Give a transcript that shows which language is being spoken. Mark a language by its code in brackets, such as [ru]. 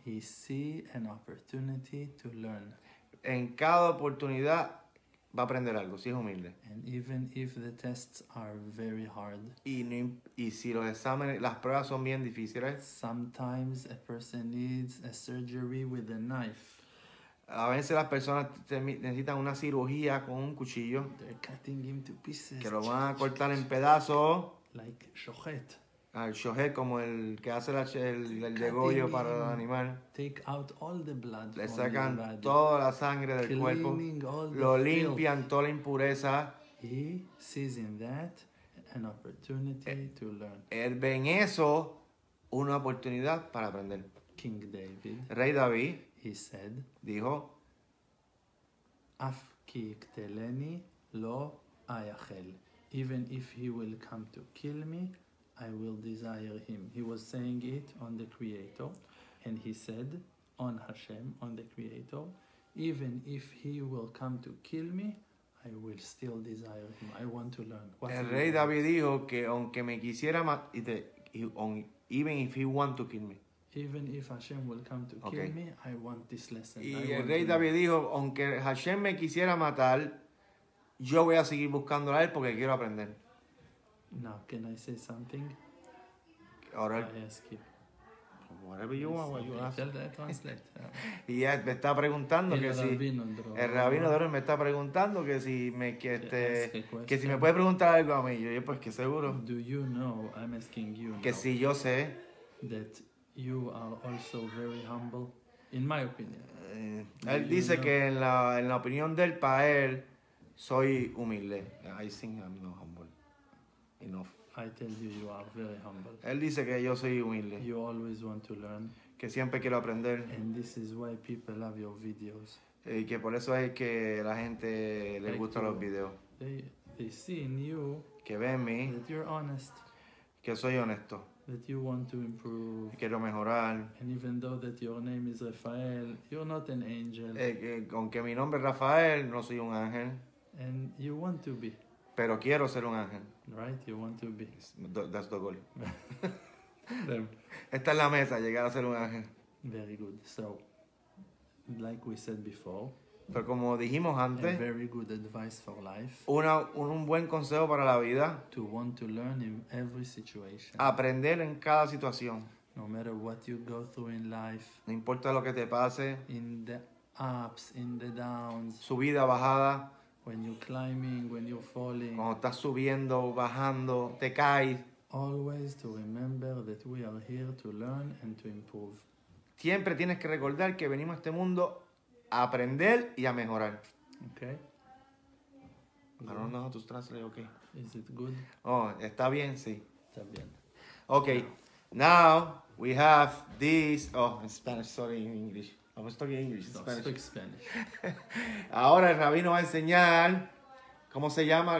[en] He sees an opportunity to learn. [es] En cada oportunidad va a aprender algo, si es humilde. [en] And even if the tests are very hard. [es] Y si los exámenes, las pruebas son bien difíciles. [en] Sometimes a person needs a surgery with a knife. [es] A veces las personas necesitan una cirugía con un cuchillo. [en] They're cutting him to pieces. [es] Que lo van a cortar en pedazos. [en] Like shohet. [es] Al shohet, como el que hace el degollo para el animal. [en] Take out all the blood. [es] Le sacan toda la sangre del cuerpo. Lo limpian toda la impureza. [en] He sees in that an opportunity to learn. [es] Él ve en eso una oportunidad para aprender. [en] King David. [es] Rey David. [en] He said, [es] dijo, [he] Af ki ikteleni lo ayachel. [en] Even if he will come to kill me, I will desire him. He was saying it on the Creator, and he said, on Hashem, on the Creator, even if he will come to kill me, I will still desire him. I want to learn. [es] What el rey David dijo que aunque me quisiera matar, [en] even if he want to kill me. Even if Hashem will come to kill me, I want this lesson. [es] Y el rey David dijo, aunque Hashem me quisiera matar, yo voy a seguir buscándolo a él porque quiero aprender. [en] Now, can I say something? [es] Ahora, [en] I ask you. Whatever you want, what you ask. Tell the translator. [es] Y ya me está preguntando el que rabino, si... El rabino de Oren me está preguntando que si me... Que si me puede preguntar algo a mí. Yo, pues que seguro. [en] Do you know, I'm asking you [es] que [en] now, [es] si yo sé... [en] That you are also very humble, in my opinion. [es] Él dice que en la opinión del Pael... Soy humilde. [en] I think I'm not humble enough. I tell you, you are very humble. [es] Él dice que yo soy humilde. [en] You always want to learn. [es] Que siempre quiero aprender. [en] And this is why people love your videos. [es] Y que por eso es que la gente le gusta los videos. [en] They see in you. [es] Que ven en mí. [en] That you're honest. [es] Que soy honesto. [en] That you want to improve. [es] Quiero mejorar. [en] And even though that your name is Rafael, you're not an angel. [es] Aunque mi nombre es Rafael, no soy un ángel. [en] And you want to be. [es] Pero quiero ser un ángel. [en] Right, you want to be. That's the goal. [es] Esta es la meta, llegar a ser un ángel. [en] Very good. So, like we said before. [es] Pero como dijimos antes. [en] A very good advice for life. [es] Un buen consejo para la vida. [en] To want to learn in every situation. [es] Aprender en cada situación. [en] No matter what you go through in life. [es] No importa lo que te pase. [en] In the ups, in the downs. [es] Subida, bajada. [en] When you're climbing, when you're falling. [es] Cuando estás subiendo, bajando, te caes. [en] Always to remember that we are here to learn and to improve. [es] Siempre tienes que recordar que venimos a este mundo a aprender y a mejorar. [en] Okay. I don't know how to translate, okay. Is it good? [es] Oh, está bien, sí. Está bien. [en] Okay. Now we have this. Oh, in Spanish, sorry, in English. [es] Vamos a estar en inglés. Ahora el rabino va a enseñar cómo se llama.